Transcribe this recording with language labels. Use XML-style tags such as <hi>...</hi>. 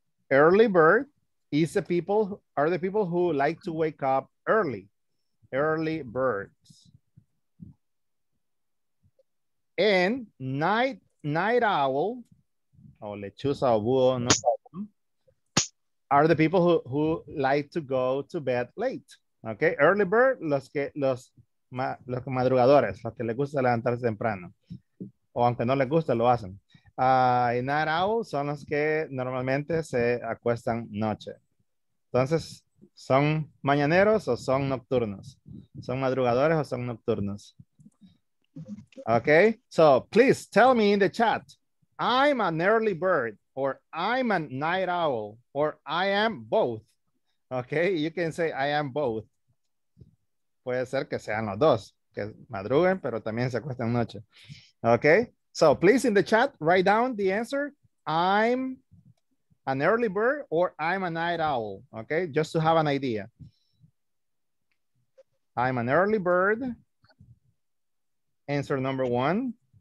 <en>Early bird is the people, are the people who like to wake up early. Early birds. And night owl, or</en> <es>lechuza o búho,</es> <en>no problem, are the people who like to go to bed late.</en> <es>Okay, early bird, los madrugadores, los que les gusta levantarse temprano. O aunque no les gusta, lo hacen. Y night owl son los que normalmente se acuestan noche. Entonces, ¿son mañaneros o son nocturnos? ¿Son madrugadores o son nocturnos?</es> <en>Okay, so please tell me in the chat, I'm an early bird, or I'm a night owl, or I am both. Okay, you can say I am both.</en> <es>Puede ser que sean los dos, que madruguen, pero también se acuestan noche.</es> <en>Okay, so please in the chat, write down the answer. I'm an early bird or I'm a night owl. Okay, just to have an idea. I'm an early bird. Answer number one.</en>